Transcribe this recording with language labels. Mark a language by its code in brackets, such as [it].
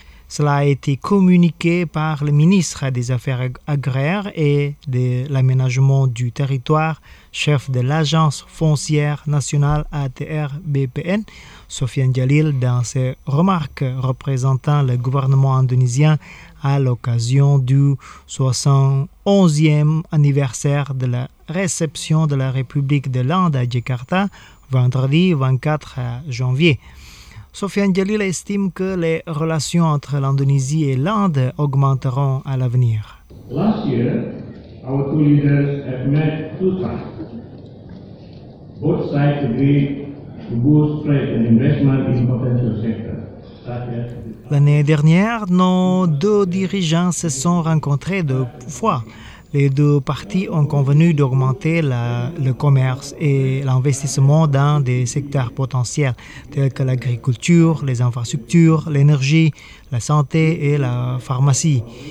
[fr] Cela a été communiqué par le ministre des Affaires agraires et de l'aménagement du territoire, chef de l'Agence foncière nationale ATR-BPN, Sofiane Djalil, dans ses remarques représentant le gouvernement indonésien à l'occasion du 71e anniversaire de la réception de la République de l'Inde à Jakarta, vendredi 24 janvier. Sofiane Djalil estime que les relations entre l'Indonésie et l'Inde augmenteront à l'avenir. [en] Last year, our two leaders have met two times. Both sides agreed to boost trade and investment in potential sectors. [fr] L'année dernière, nos deux dirigeants se sont rencontrés deux fois. Les deux parties ont convenu d'augmenter le commerce et l'investissement dans des secteurs potentiels tels que l'agriculture, les infrastructures, l'énergie, la santé et la pharmacie.